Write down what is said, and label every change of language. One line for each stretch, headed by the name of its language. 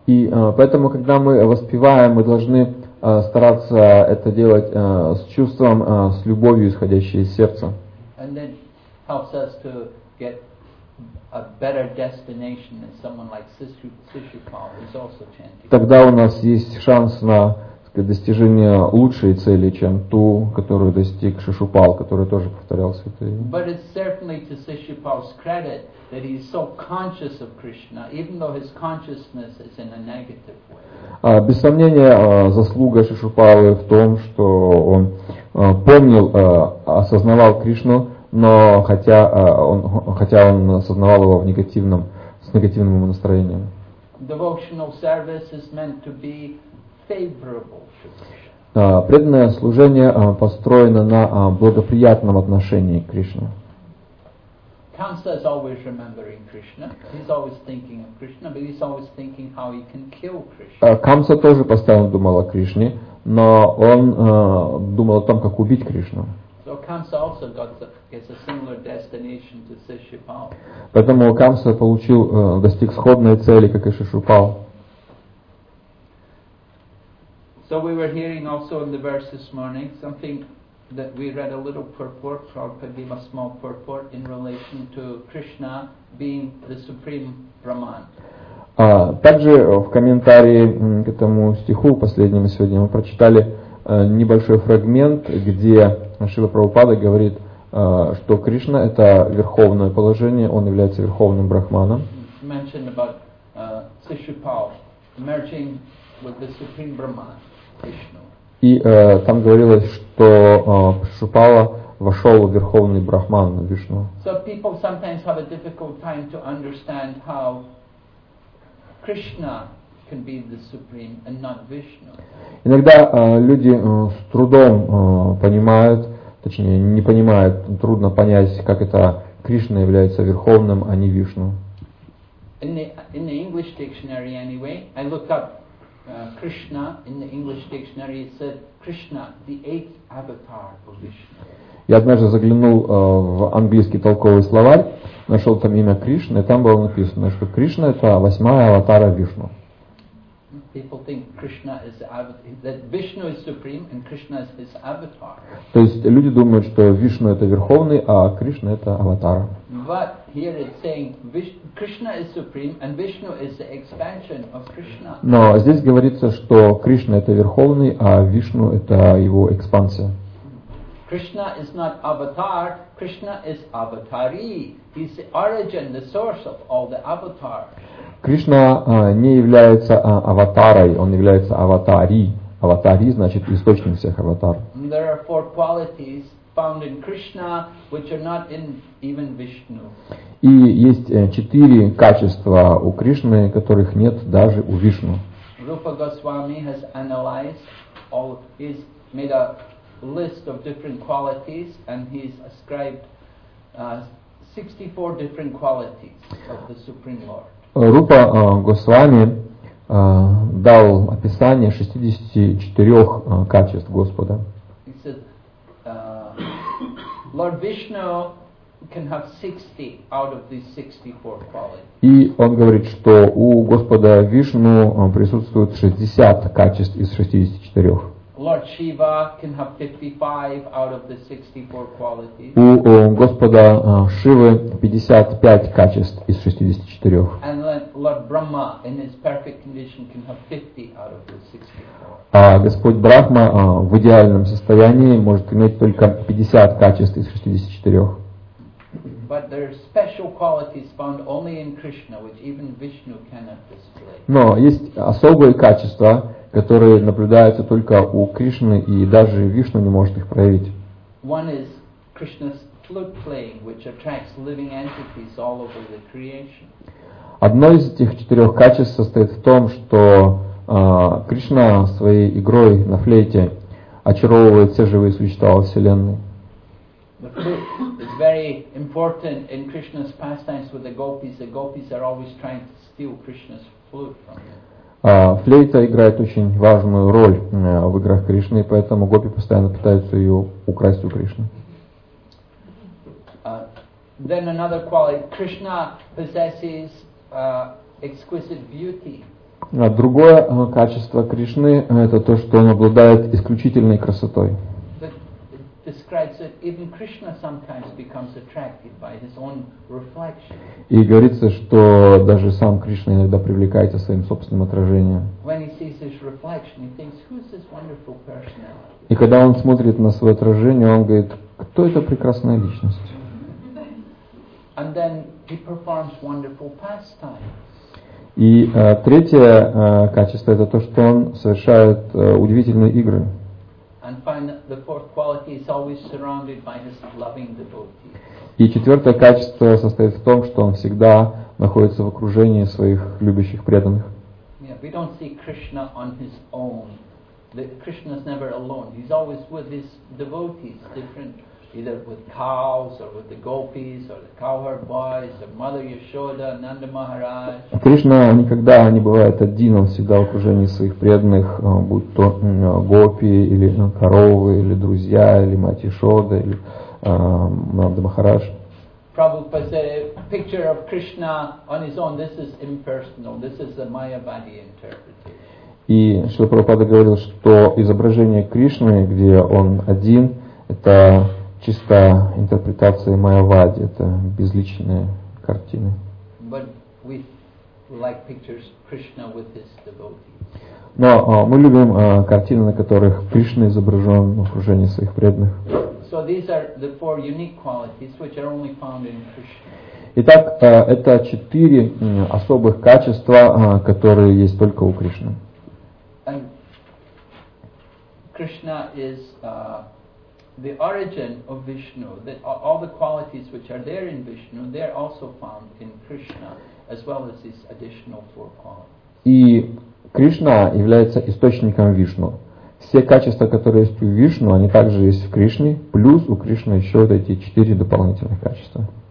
Russian: И поэтому, когда мы воспеваем, мы должны стараться это делать с чувством, с любовью, исходящей из сердца.
English: And then helps us to get a better destination than someone like Sishupal is also chanting.
Russian: Тогда у нас есть шанс на достижение лучшей цели, чем ту, которую достиг Шишупал, который тоже повторял святое имя.
English: But it's certainly to Sishupal's credit that he's so conscious of Krishna, even though his consciousness is in a negative way.
Russian: Без сомнения, заслуга Шишупалы в том, что он помнил, осознавал Кришну, но хотя он осознавал его с негативным настроением.
English: Devotional service is meant to be favorable.
Russian: Преданное служение построено на благоприятном отношении к Кришне.
English: Kamsa is always remembering Krishna. He's always thinking of Krishna, but he's always thinking how he can kill Krishna.
Russian: Kamsa тоже постоянно думал о Кришне, но он думал о том, как убить Кришну.
English: So Kamsa also gets a similar destination to Sishupal.
Russian: Поэтому Kamsa достиг сходной цели, как и Шишупал.
English: So we were hearing also in the verse this morning something that we read a little purport, Prabhupada gave a small purport in relation to Krishna being the supreme Brahman.
Russian: Также в комментарии к этому стиху последнему сегодня мы прочитали небольшой фрагмент, где Шрила Прабхупада говорит, что Кришна это верховное положение, он является верховным Брахманом.
English: Mentioned about Sishupal merging with the supreme Brahman.
Russian: И там говорилось, что Шупала вошел в верховный брахман Вишну.
English: So people sometimes have a difficult time to understand how Krishna can be the supreme and not Vishnu.
Russian: Иногда люди с трудом понимают, точнее не понимают, трудно понять, как это Кришна является верховным, а не Вишну.
English: In the English dictionary, anyway, I looked up. Krishna in the English dictionary it said Krishna the eighth avatar of Vishnu.
Russian: Я однажды заглянул в английский толковый словарь, нашел там имя Кришны, и там было написано, что Кришна это восьмая аватара Вишну.
English: People think Krishna is the avatar, that Vishnu is supreme and Krishna is his avatar.
Russian: То есть люди думают, что Вишну это верховный, а Кришна это аватар.
English: But here it's saying Krishna is supreme and Vishnu is the expansion of Krishna.
Russian: Но здесь говорится, что Кришна это верховный, а Вишну это его экспансия.
English: Krishna is not avatar, Krishna is avatari. He's the origin, the source of all the avatars.
Russian: Кришна не является аватарой, он является аватари. Аватари значит источник всех аватар.
English: There are four qualities found in Krishna, which are not in even Vishnu.
Russian: И есть четыре качества у Кришны, которых нет даже у Вишну.
English: Rupa Goswami has analyzed all, he's made a list of different qualities, and he's ascribed 64 different qualities of the Supreme Lord.
Russian: Рупа Госвами дал описание 64 качеств Господа.
English: He said, Lord Vishnu can have 60 out of these 64 qualities.
Russian: И он говорит, что у Господа Вишну присутствует 60 качеств из 64.
English: Lord Shiva can have 55 out of the 64 qualities.
Russian: У Господа Шивы 55 качеств из 64.
English: And Lord Brahma in his perfect condition can have 50 out of the 64.
Russian: А Господь Брахма в идеальном состоянии может иметь только 50 качеств из 64.
English: But there are special qualities found only in Krishna, which even Vishnu cannot display.
Russian: Но есть особые качества, которые наблюдаются только у Кришны, и даже Вишну не может их проявить.
English: One is Krishna's flute playing, which attracts living entities all over the creation.
Russian: Одно из этих четырех качеств состоит в том, что Кришна своей игрой на флейте очаровывает все живые существа во Вселенной.
English: The flute is very important in Krishna's pastimes with the gopis. The gopis are always trying to steal Krishna's flute from him.
Russian: Флейта играет очень важную роль в играх Кришны, и поэтому гопи постоянно пытаются ее украсть у Кришны.
English: Then another quality. Krishna possesses exquisite beauty.
Russian: Другое качество Кришны — это то, что он обладает исключительной красотой.
English: That describes that even Krishna sometimes becomes attracted by his own reflection.
Russian: И говорится, что даже сам Кришна иногда привлекается своим собственным отражением.
English: When he sees his reflection, he thinks, "Who's this wonderful personality?"
Russian: И когда он смотрит на свое отражение, он говорит, кто эта прекрасная личность?
English: And then he performs wonderful pastimes.
Russian: И третье качество — это то, что он совершает удивительные игры.
English: And finally, the fourth quality is always surrounded by his loving devotees.
Russian: И четвертое качество состоит в том, что он всегда находится в окружении своих любящих преданных.
English: Yeah, we don't see Krishna on his own. Krishna is never alone. He's always with his devotees, different, either with cows or with the gopis or the cowherd boys or Mother Yashoda, Nanda Maharaj.
Russian: Кришна никогда не бывает один, он всегда в окружении своих преданных, будь то гопи или коровы или друзья или Мать Яшода или Нанда Махарадж.
English: Prabhupada said, picture of Krishna on his own, this is impersonal, this is the Mayavadi interpretation.
Russian: И Шрила Прабхупада говорил, что изображение Кришны, где он один, это чисто интерпретация Майявади, это безличные картины.
English: But we like pictures Krishna with his devotees.
Russian: Но мы любим картины, на которых Кришна изображен в окружении своих преданных.
English: So these are the four unique qualities which are only found in Krishna.
Russian: Итак, это четыре особых качества, которые есть только у Кришны.
English: And Krishna is the origin of Vishnu. That all the qualities which are there in Vishnu, they are also found in Krishna, as well as these additional four qualities.
Russian: И Кришна является источником Вишну. Все качества, которые есть у Вишну, они также есть в Кришне, плюс у Кришны еще вот эти четыре дополнительных качества.